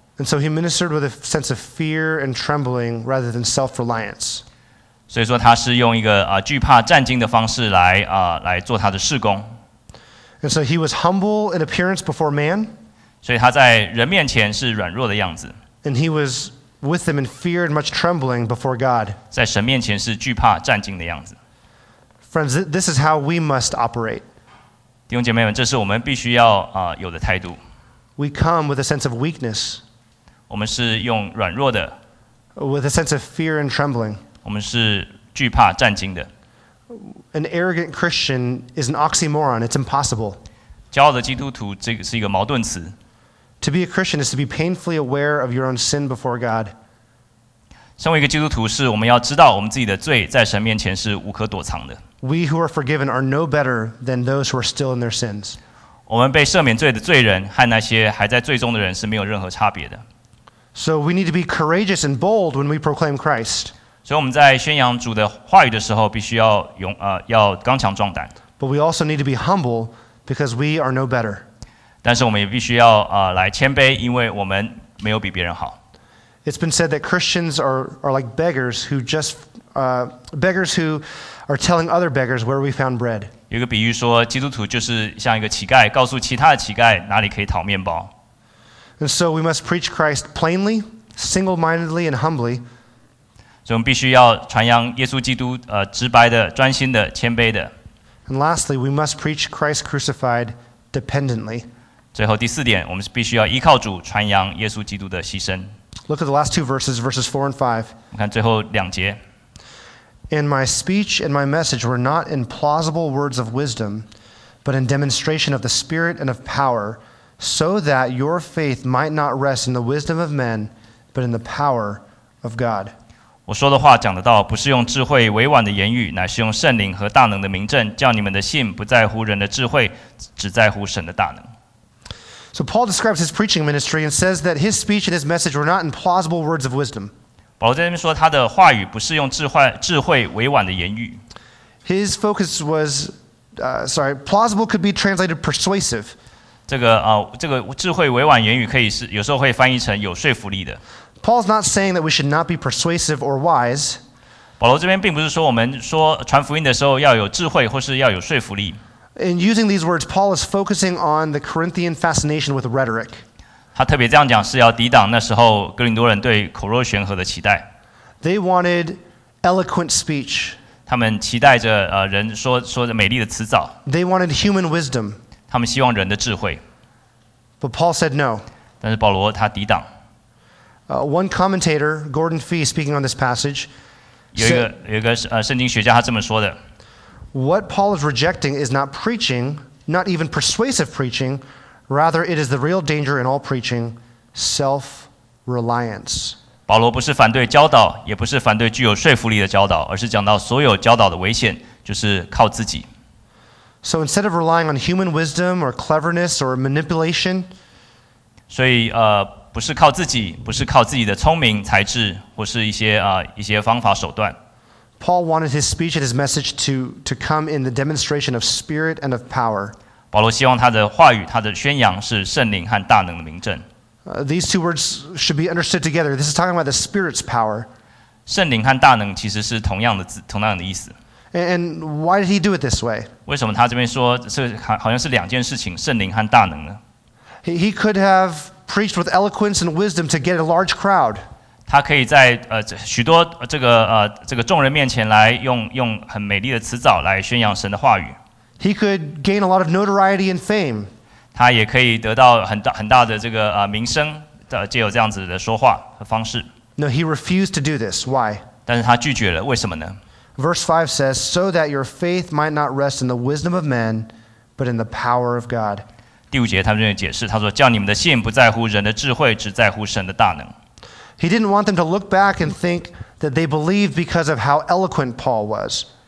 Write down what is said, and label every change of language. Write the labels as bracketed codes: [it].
[en] And so he ministered with a sense of fear and trembling rather than self-reliance. [zh] 所以说他是用一个惧怕战惊的方式来做他的事工。 [en] And so he was humble in appearance before man. [zh] 所以他在人面前是软弱的样子。 [en] And he was with them in fear and much trembling before God. [zh] 在神面前是惧怕战惊的样子。 [en] Friends, this is how we must operate. [zh] 弟兄姐妹们，这是我们必须要有的态度。 [en] We come with a sense of weakness. [zh] 我们是用软弱的。 [en] With a sense of fear and trembling. [zh] 我们是惧怕战惊的。 [en] An arrogant Christian is an oxymoron. It's impossible. [zh] 骄傲的基督徒，这个是一个矛盾词。 [en] To be a Christian is to be painfully aware of your own sin before God. [zh] 身为一个基督徒，是我们要知道我们自己的罪在神面前是无可躲藏的。 [en] We who are forgiven are no better than those who are still in their sins. [zh] 我们被赦免罪的罪人和那些还在罪中的人是没有任何差别的。 [en] So we need to be courageous and bold when we proclaim Christ. [zh] 所以我们在宣扬主的话语的时候，必须要要刚强壮胆。 [en] But we also need to be humble because we are no better. [zh] 但是我们也必须要来谦卑，因为我们没有比别人好。 [en] It's been said that Christians are like beggars who just beggars who are telling other beggars where we found bread. [zh] 有个比喻说，基督徒就是像一个乞丐，告诉其他的乞丐哪里可以讨面包。 [en] And so we must preach Christ plainly, single-mindedly, and humbly. [zh] 所以我们必须要传扬耶稣基督，直白的、专心的、谦卑的。 [en] And lastly, we must preach Christ crucified dependently. [zh] 最后第四点，我们必须要依靠主传扬耶稣基督的牺牲。 [en] Look at the last two verses, verses 4 and 5. [zh] 我们看最后两节。 [en] And my speech and my message were not in plausible words of wisdom, but in demonstration of the Spirit and of power, so that your faith might not rest in the wisdom of men, but in the power of God. [zh] 我说的话讲的道，不是用智慧委婉的言语，乃是用圣灵和大能的明证，叫你们的信不在乎人的智慧，只在乎神的大能。 [en] So Paul describes his preaching ministry and says that his speech and his message were not in plausible words of wisdom. [zh] 保罗在这边说，他的话语不是用智慧委婉的言语。 [en] His focus was, plausible could be translated persuasive. [zh] 这个智慧委婉言语可以是有时候会翻译成有说服力的。 [en] Paul's not saying that we should not be persuasive or wise. [zh] 保罗这边并不是说我们说传福音的时候要有智慧或是要有说服力。 [en] In using these words, Paul is focusing on the Corinthian fascination with rhetoric. [zh] 他特别这样讲是要抵挡那时候哥林多人对口若悬河的期待。 [en] They wanted eloquent speech. [zh] 他们期待着人说着美丽的辞藻。 [en] They wanted human wisdom. [zh] 他们希望人的智慧。 [en] But Paul said no. [zh] 但是保罗他抵挡。 [en] One commentator, Gordon Fee, speaking on this passage, [zh] 有一个圣经学家他这么说的。 [en] What Paul is rejecting is not preaching, not even persuasive preaching. Rather, it is the real danger in all preaching: self-reliance. [zh] 保罗不是反对教导，也不是反对具有说服力的教导，而是讲到所有教导的危险就是靠自己。 [en] So instead of relying on human wisdom or cleverness or manipulation, [zh] 所以不是靠自己，不是靠自己的聪明才智，或是一些方法手段。 [en] Paul wanted his speech and his message to come in the demonstration of spirit and of power. [zh] 保罗希望他的话语他的宣扬是圣灵和大能的名证。 [en] These two words should be understood together. This is talking about the Spirit's power. [zh] 圣灵和大能其实是同样的字，同样的意思。 [en] And why did he do it this way? [zh] 为什么他这边说这好像是两件事情，圣灵和大能呢？ [en] He could have preached with eloquence and wisdom to get a large crowd. [zh] 他可以在许多这个这个众人面前来用很美丽的辞藻来宣扬神的话语。 [en] He could gain a lot of notoriety and fame. [zh] 他也可以得到很大的这个名声的借由这样子的说话和方式。 [en] No, he refused to do this. Why? [zh] 但是他拒绝了，为什么呢？ [en] Verse 5 says, so that your faith might not rest in the wisdom of men, but in the power of God. [zh] 第五节他们就解释，他说叫你们的信不在乎人的智慧，只在乎神的大能。 [en] He didn't want them to look back and think that they believed because of how eloquent Paul was.